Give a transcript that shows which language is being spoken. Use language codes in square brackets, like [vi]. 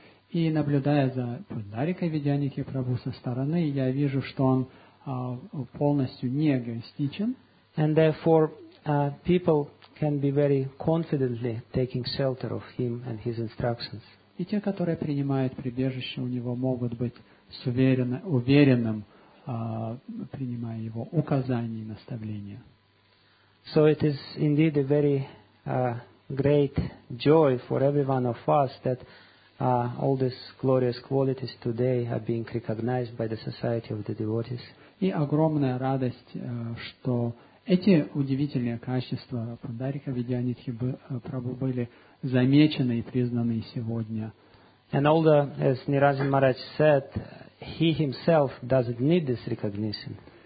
[ru] И наблюдая за Пундарикой Видьяники Прабху со стороны, я вижу, что он полностью не эгоистичен. [en] And therefore, people can be very confidently taking shelter of him and his instructions. [ru] И те, которые принимают прибежище у него, могут быть уверенным, принимая его указания и наставления. [en] So it is indeed a very great joy for every one of us that all these glorious qualities today are being recognized by the society of the devotees. [ru] И огромная радость, что эти удивительные качества Пундарика Видьяники Прабху были замечены и признаны сегодня. [en] And although, as Niranjan Maharaj said, he himself doesn't need this recognition.